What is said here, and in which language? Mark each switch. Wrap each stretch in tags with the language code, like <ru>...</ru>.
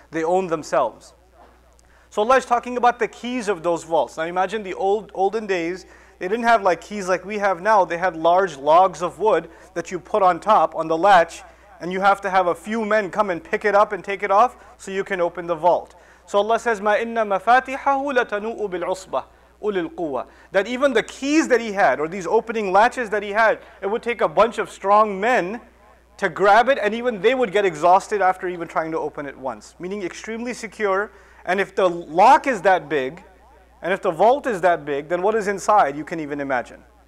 <en>They own themselves. So Allah is talking about the keys of those vaults. Now imagine the olden days, they didn't have like keys like we have now. They had large logs of wood that you put on top, on the latch, and you have to have a few men come and pick it up and take it off so you can open the vault. So Allah says,</en> <ar>مَا إِنَّ مَفَاتِحَهُ لَتَنُؤُ بِالْعُصْبَةِ أُولِي الْقُوَّةِ.</ar> <en>That even the keys that he had, or these opening latches that he had, it would take a bunch of strong men to grab it, and even they would get exhausted after even trying to open it once. Meaning extremely secure, and if the lock is that big, and if the vault is that big, then what is inside, you can even imagine.</en>